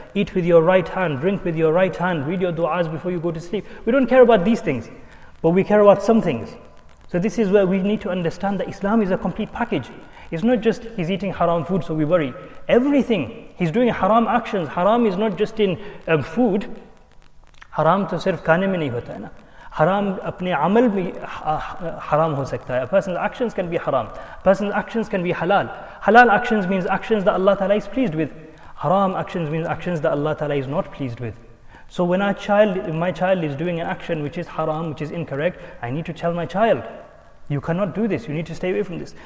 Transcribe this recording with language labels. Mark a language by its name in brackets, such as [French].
[English] Eat with your right hand, drink with your right hand, read your du'as before you go to sleep. We don't care about these things, but we care about some things. So this is where we need to understand that Islam is a complete package. It's not just he's eating haram food, so we worry. Everything, he's doing haram actions. Haram is not just in food. [Urdu] حرام تو صرف کھانے میں نہیں ہوتا ہے نا. حرام اپنے عمل بھی حرام ہو سکتا ہے. [English] A person's actions can be haram. A person's actions can be halal. Halal actions means actions that Allah Ta'ala is pleased with. Haram actions means actions that Allah Ta'ala is not pleased with. So when my child is doing an action which is haram, which is incorrect, I need to tell my child, you cannot do this, you need to stay away from this.